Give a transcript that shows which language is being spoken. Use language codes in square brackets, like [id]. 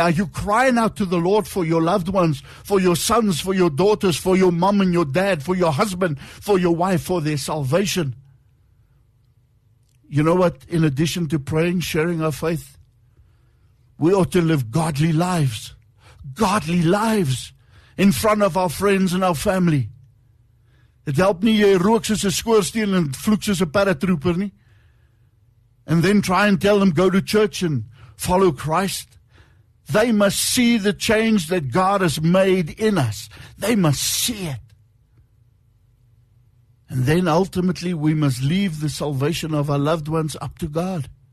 [en] Are you crying out to the Lord for your loved ones, for your sons, for your daughters, for your mom and your dad, for your husband, for your wife, for their salvation? You know what? In addition to praying, sharing our faith, we ought to live godly lives. Godly lives in front of our friends and our family. [af] Dit help nie jy rook soos 'n skoorsteen en vloek soos 'n paratrooper nie. [en] And then try and tell them go to church and follow Christ. They must see the change that God has made in us. They must see it. And then ultimately we must leave the salvation of our loved ones up to God.